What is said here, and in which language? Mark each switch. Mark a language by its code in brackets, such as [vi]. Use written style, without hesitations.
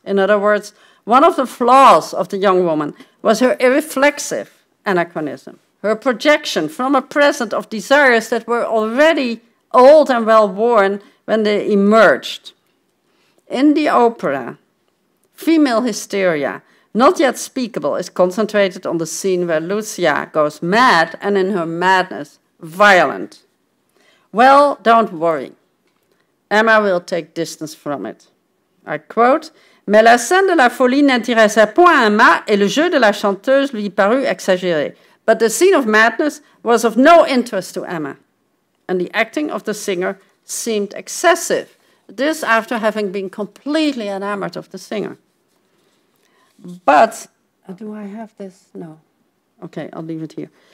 [en] In other words, one of the flaws of the young woman was her irreflexive anachronism, her projection from a present of desires that were already old and well-worn when they emerged. In the opera, female hysteria, not yet speakable, is concentrated on the scene where Lucia goes mad and in her madness, violent. Well, don't worry. Emma will take distance from it. I quote, [fr] "Mais la scène de la folie n'intéressait point Emma et le jeu de la chanteuse lui parut exagéré." [en] But the scene of madness was of no interest to Emma, and the acting of the singer seemed excessive, this after having been completely enamored of the singer. But, do I have this? No. Okay, I'll leave it here.